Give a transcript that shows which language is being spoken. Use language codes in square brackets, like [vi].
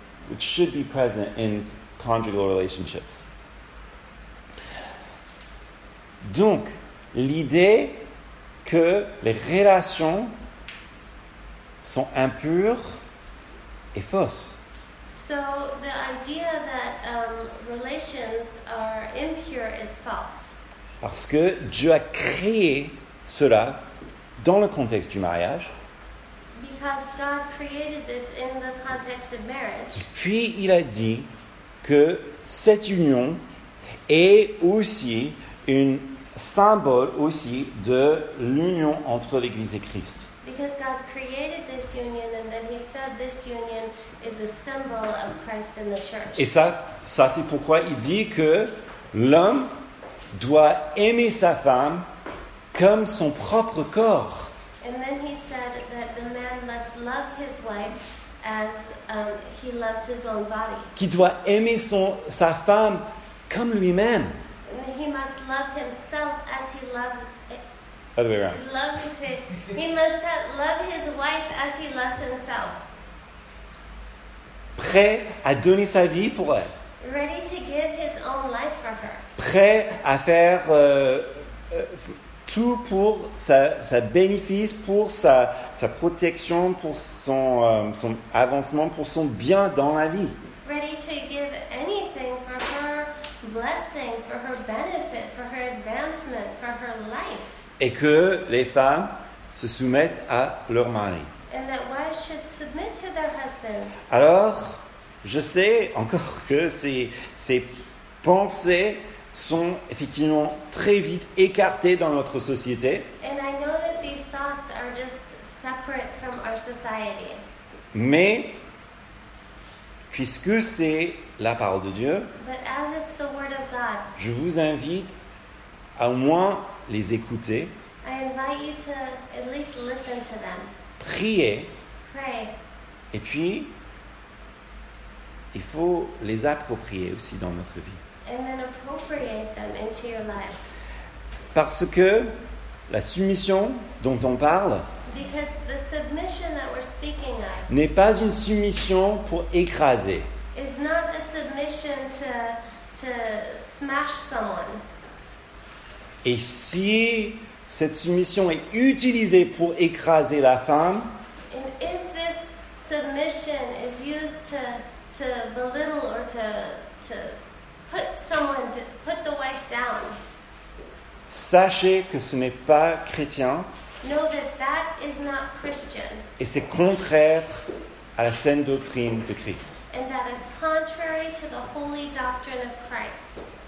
[en] which should be present in conjugal relationships. [fr] Donc, l'idée que les relations sont impures est fausse. [en] So the idea that relations are impure is false. [fr] Parce que Dieu a créé cela dans le contexte du mariage. [en] Because God created this in the context of marriage. [fr] Et puis il a dit que cette union est aussi un symbole aussi de l'union entre l'Église et Christ. [en] Because God created this union and then he said this union is a symbol of Christ in the church. [fr] Et ça c'est pourquoi il dit que l'homme doit aimer sa femme comme son propre corps. [en] And then he said that the man must love his wife as he loves his own body. [fr] Qui doit aimer sa femme comme lui-même. [en] And he must love himself as he loves it. Other way around. He must love his wife as he loves himself. [fr] Prêt à donner sa vie pour elle. [en] Ready to give his own life for her. [fr] Prêt à faire tout pour sa bénéfice, pour sa protection, pour son avancement, pour son bien dans la vie. [en] Ready to give anything for her blessing, for her benefit, for her advancement, for her life. [fr] Et que les femmes se soumettent à leur mari. [en] And that wives should submit to their husbands. [fr] Alors, je sais encore que ces pensées sont effectivement très vite écartés dans notre société. [en] And I know that these thoughts are just separate from our society. [fr] Mais, puisque c'est la parole de Dieu, [en] but as it's the word of God, [fr] je vous invite à au moins les écouter. [en] I invite you to at least listen to them. [fr] Prier. [en] Pray. [fr] Et puis, il faut les approprier aussi dans notre vie. [en] And then appropriate them into your lives. [fr] Parce que la soumission dont on parle [en] because the submission that we're speaking of [fr] n'est pas une soumission pour écraser. [en] Is not a submission to smash someone. [fr] Et si cette soumission est utilisée pour écraser la femme, [en] and if this submission is used to belittle or to put someone put the wife down. [fr] Sachez que ce n'est pas chrétien. [en] Know that that is not Christian. [fr] Et c'est contraire à la saine doctrine de Christ. [en] And that is contrary to the holy doctrine of Christ.